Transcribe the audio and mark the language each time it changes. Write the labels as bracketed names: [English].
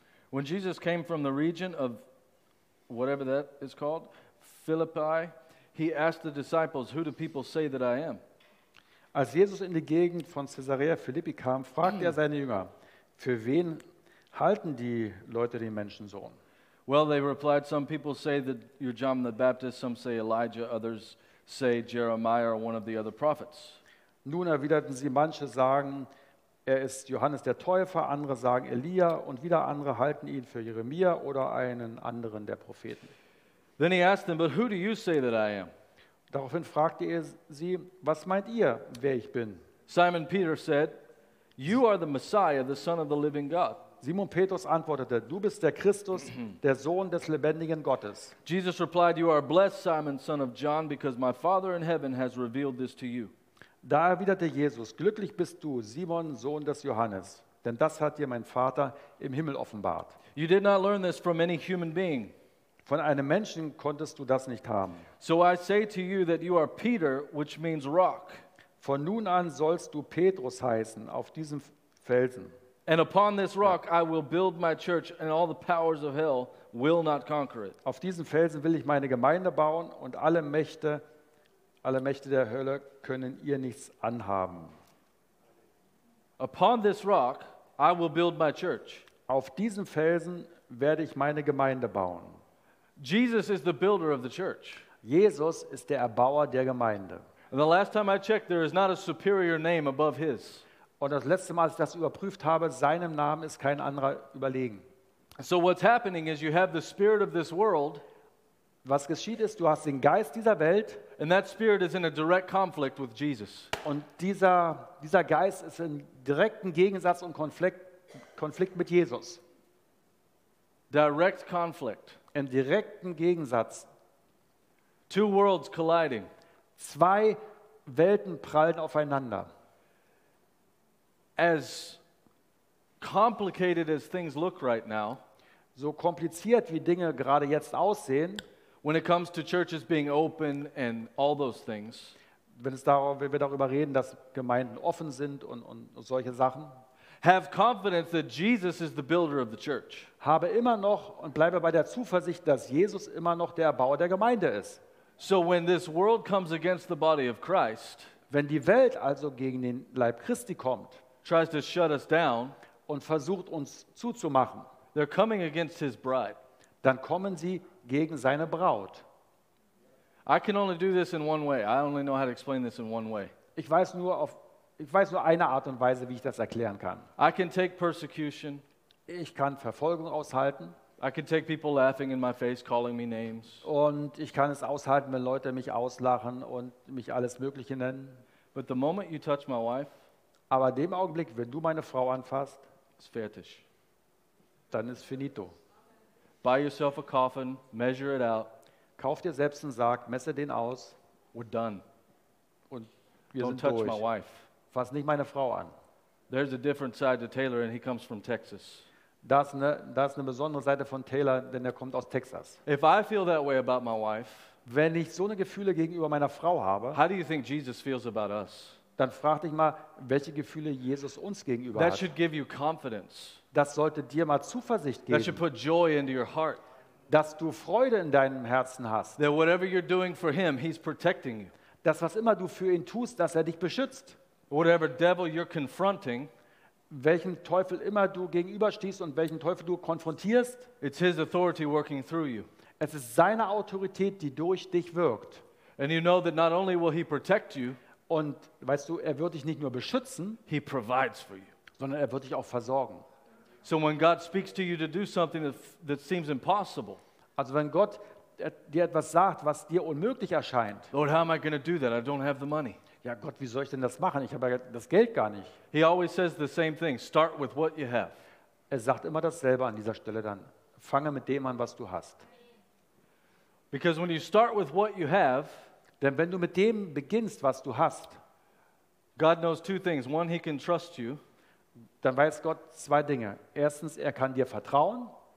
[English] When Jesus came from the region of whatever that is called, Philippi, he asked the disciples, "Who do people say that I am?" [German] Als Jesus in die Gegend von Caesarea Philippi kam, fragte er seine Jünger, "Für wen halten die Leute den Menschensohn?" [English] Well, they replied, some people say that you're John the Baptist, some say Elijah, others say Jeremiah or one of the other prophets. [German] Nun erwiderten sie, manche sagen, er ist Johannes der Täufer, andere sagen Elia und wieder andere halten ihn für Jeremia oder einen anderen der Propheten. [English] Then he asked them, but who do you say that I am? [German] Daraufhin fragte er sie, was meint ihr, wer ich bin? [English] Simon Peter said, you are the Messiah, the son of the living God. [German] Simon Petrus antwortete, du bist der Christus, der Sohn des lebendigen Gottes. [English] Jesus replied, you are blessed, Simon, son of John, because my Father in heaven has revealed this to you. [German] Da erwiderte Jesus, glücklich bist du, Simon, Sohn des Johannes, denn das hat dir mein Vater im Himmel offenbart. [English] You did not learn this from any human being. [German] Von einem Menschen konntest du das nicht haben. [English] So I say to you that you are Peter, which means rock. [German] Von nun an sollst du Petrus heißen, auf diesem Felsen. [English] And upon this rock I will build my church and all the powers of hell will not conquer it. [German] Auf diesen Felsen will ich meine Gemeinde bauen und alle Mächte der Hölle können ihr nichts anhaben. [English] Upon this rock I will build my church. [German] Auf diesem Felsen werde ich meine Gemeinde bauen. [English] Jesus is the builder of the church. [German] Jesus ist der Erbauer der Gemeinde. [English] And the last time I checked, there is not a superior name above his. [German] Und das letzte Mal, als ich das überprüft habe, seinem Namen ist kein anderer überlegen. [English] So what's happening is you have the spirit of this world. [German] Was geschieht ist, du hast den Geist dieser Welt. [English] And that spirit is in a direct conflict with Jesus. [German] Und dieser Geist ist in direkten Gegensatz und Konflikt mit Jesus. [English] Direct conflict. [German] Im direkten Gegensatz. [English] Two worlds colliding. [German] Zwei Welten prallen aufeinander. [English] As complicated as things look right now, [German] so kompliziert wie Dinge gerade jetzt aussehen, [English] when it comes to churches being open and all those things, [German] wenn wir darüber reden, dass Gemeinden offen sind und solche Sachen, [English] have confidence that Jesus is the builder of the church. [German] Habe immer noch und bleibe bei der Zuversicht, dass Jesus immer noch der Erbauer der Gemeinde ist. [English] So when this world comes against the body of Christ, [German] wenn die Welt also gegen den Leib Christi kommt, [English] tries to shut us down [German] und versucht uns zuzumachen, [English] they're coming against his bride. [German] Dann kommen sie gegen seine Braut. [English] I can only do this in one way. I only know how to explain this in one way. [German] Ich weiß nur eine Art und Weise, wie ich das erklären kann. [English] I can take persecution. [German] Ich kann Verfolgung aushalten. [English] I can take people laughing in my face, calling me names. [German] Und ich kann es aushalten, wenn Leute mich auslachen und mich alles Mögliche nennen. [English] But the moment you touch my wife, [German] aber dem Augenblick, wenn du meine Frau anfasst, ist fertig. Dann ist finito. [English] Buy yourself a coffin, measure it out. [German] Kauf dir selbst einen Sarg, messe den aus. [English] We're done. [German] Und wir [English] Don't [German] sind [English] touch [German] durch. [English] My wife. [German] Fass nicht meine Frau an. [English] There's a different side to Taylor and he comes from Texas. [German] Das ist eine besondere Seite von Taylor, denn er kommt aus Texas. [English] If I feel that way about my wife, [German] wenn ich so eine Gefühle gegenüber meiner Frau habe, [English] how do you think Jesus feels about us? [German] Dann frag dich mal, welche Gefühle Jesus uns gegenüber [English] that [German] hat. [English] Should give you confidence. [German] Das sollte dir mal Zuversicht geben. [English] That should put joy into your heart. [German] Dass du Freude in deinem Herzen hast. [English] That whatever you're doing for him, he's protecting you. [German] Dass was immer du für ihn tust, dass er dich beschützt. [English] Whatever devil you're confronting, [German] welchen Teufel immer du gegenüberstehst und welchen Teufel du konfrontierst, [English] it's his authority working through you. [German] Es ist seine Autorität, die durch dich wirkt. [English] And you know that not only will he protect you, [German] und weißt du, er wird dich nicht nur beschützen, [English] he provides for you, [German] sondern er wird dich auch versorgen. [English] So when God speaks to you to do something that seems impossible, [German] also wenn Gott dir etwas sagt, was dir unmöglich erscheint, [English] Lord, how am I going to do that? I don't have the money. [German] Ja Gott, wie soll ich denn das machen? Ich habe ja das Geld gar nicht. [English] He always says the same thing. Start with what you have. [German] Er sagt immer dasselbe an dieser Stelle dann. Fange mit dem an, was du hast. [English] Because when you start with what you have, [German] denn wenn du mit dem beginnst, was du hast, [English] God knows two things. One, he can trust you. [German] Dann weiß Gott zwei Dinge. Erstens, er kann dir vertrauen.